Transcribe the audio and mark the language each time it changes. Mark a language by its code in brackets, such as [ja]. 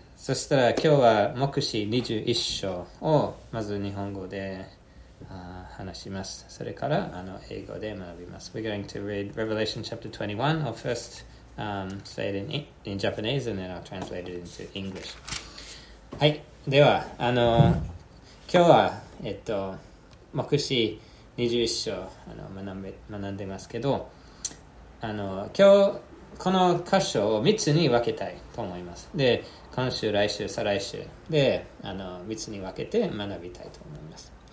[ja] そしたら今日は黙示21章をまず日本語で話します。それから英語で学びます。 [en] We're going to read Revelation chapter 21. I'll first say it in Japanese and then I'll translate it into English. [ja] はい。では今日は黙示21章学んでますけど、今日この箇所を3つに分けたいと思います。で、今週、来週、再来週で3つに分けて学びたいと思います。